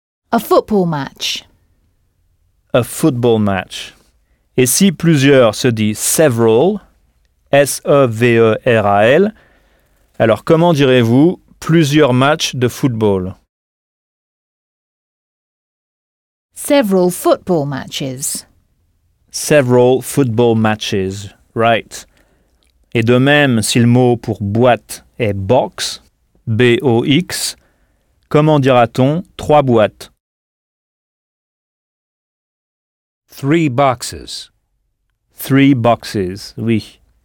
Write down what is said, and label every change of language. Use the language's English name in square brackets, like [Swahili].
[English] A football match. A football match. [French] Et si plusieurs se dit several, S-E-V-E-R-A-L, alors comment direz-vous plusieurs matchs de football? [English] Several football matches. Several football matches, right. [French] Et de même, si le mot pour boîte est box, B-O-X, comment dira-t-on trois boîtes? [English] Three boxes. Three boxes, oui.